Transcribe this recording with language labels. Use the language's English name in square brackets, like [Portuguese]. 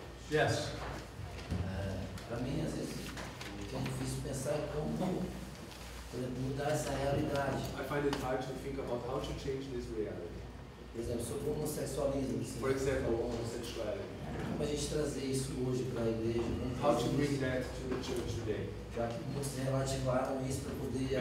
[English] Yes. [Portuguese] Para mim, às vezes, é difícil pensar como mudar essa realidade. [English] I find it hard to think about how to change this reality. [Portuguese] Por exemplo, sobre o homossexualismo. [English] For example, homosexuality. [Portuguese] Como a gente trazer isso hoje para a igreja? [English] How to bring [Portuguese] isso? [English] That to the church today? [Portuguese] Já que muitos relativaram isso para poder a